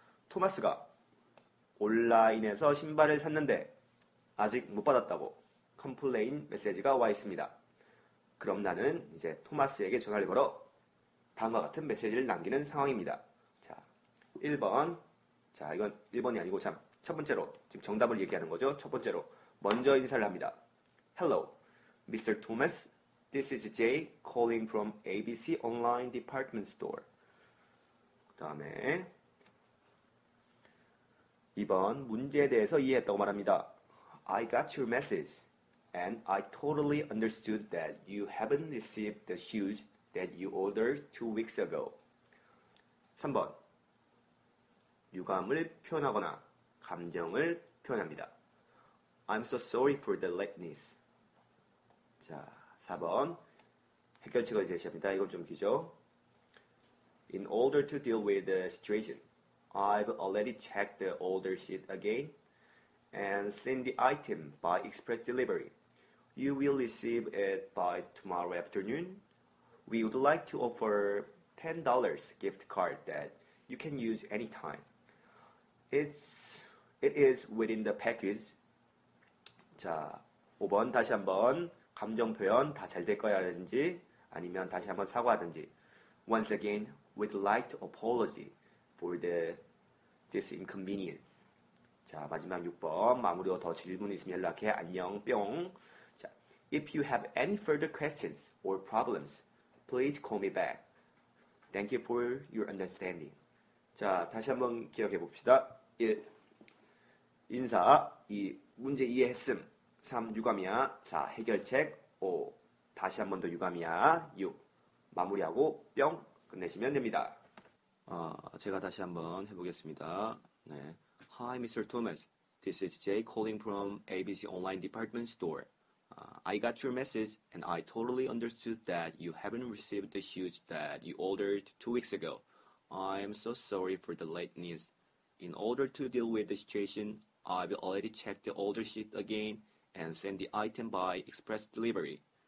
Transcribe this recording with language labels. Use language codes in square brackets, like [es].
[ko] 토마스가 온라인에서 신발을 샀는데 아직 못 받았다고 컴플레인 메시지가 와 있습니다. 그럼 나는 이제 토마스에게 전화를 걸어 다음과 같은 메시지를 남기는 상황입니다. 1번, 자 이건 1번이 아니고 참 첫 번째로 지금 정답을 얘기하는 거죠. 첫 번째로 먼저 인사를 합니다. [en] Hello, Mr. Thomas. This is Jay calling from ABC Online Department Store. [ko] 그 다음에 2번, 문제에 대해서 이해했다고 말합니다. [en] I got your message and I totally understood that you haven't received the shoes that you ordered 2 weeks ago. [ko] 3번, 유감을 표현하거나 감정을 표현합니다. [en] I'm so sorry for the lateness. [ko] 자, 4번 해결책을 제시합니다. 이건 좀 기죠. [en] In order to deal with the situation, I've already checked the order sheet again and send the item by express delivery. You will receive it by tomorrow afternoon. We would like to offer $10 gift card that you can use anytime. It is within the package. [ko] 자, 5번 다시 한번 감정 표현 다 잘 될 거야 라든지 아니면 다시 한번 사과하든지. [en] Once again, we'd like to apologize for this inconvenience. [ko] 자, 마지막 6번 마무리로 더 질문 있으면 연락해. 안녕 뿅. 자, [en] if you have any further questions or problems, please call me back. Thank you for your understanding. [ko] 자, 다시 한번 기억해 봅시다. 1. 인사. 2. 문제 이해했음. 3. 유감이야. 4. 해결책. 5. 다시 한번 더 유감이야. 6. 마무리하고 뿅 끝내시면 됩니다. 제가 다시 한번 해보겠습니다. [en] 네. Hi, Mr. Thomas. This is Jay calling from ABC Online Department Store. I got your message, and I totally understood that you haven't received the shoes that you ordered 2 weeks ago. I'm so sorry for the lateness. In order to deal with the situation, I will already check the order sheet again and send the item by express delivery.